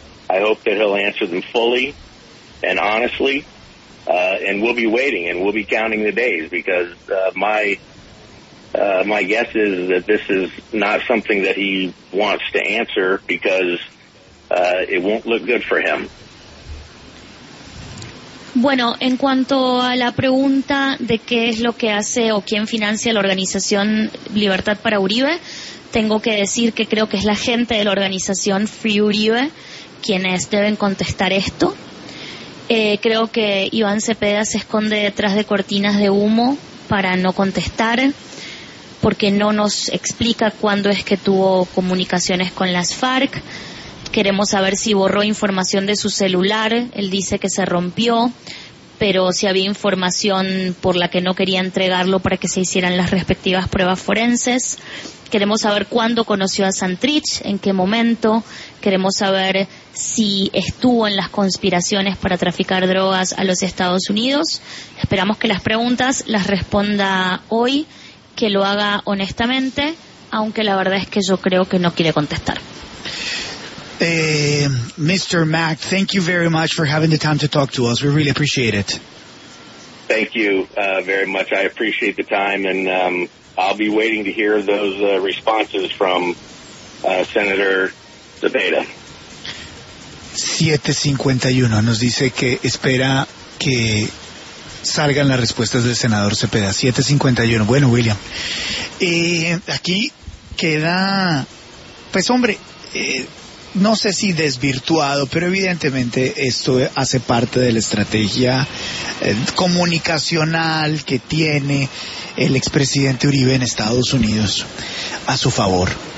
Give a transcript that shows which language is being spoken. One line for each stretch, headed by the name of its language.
English: I hope that he'll answer them fully and honestly, and we'll be waiting and we'll be counting the days, because my My guess is that this is not something that he wants to answer because it won't look good for him.
Spanish: Bueno, en cuanto a la pregunta de qué es lo que hace o quién financia la organización Libertad para Uribe, tengo que decir que creo que es la gente de la organización Free Uribe quienes deben contestar esto. Creo que Iván Cepeda se esconde detrás de cortinas de humo para no contestar, porque no nos explica cuándo es que tuvo comunicaciones con las FARC. Queremos saber si borró información de su celular. Él dice que se rompió, pero si había información por la que no quería entregarlo para que se hicieran las respectivas pruebas forenses. Queremos saber cuándo conoció a Santrich, en qué momento. Queremos saber si estuvo en las conspiraciones para traficar drogas a los Estados Unidos. Esperamos que las preguntas las responda hoy, que lo haga honestamente, aunque la verdad es que yo creo que no quiere contestar.
English: Mr. Mack, thank you very much for having the time to talk to us. We really appreciate it. Thank you very much. I appreciate the time, and I'll be waiting to hear those responses from Senator Cepeda.
Spanish: 751 nos dice que espera que salgan las respuestas del senador Cepeda. 751. Bueno, William, aquí queda, pues hombre, no sé si desvirtuado, pero evidentemente esto hace parte de la estrategia comunicacional que tiene el expresidente Uribe en Estados Unidos a su favor.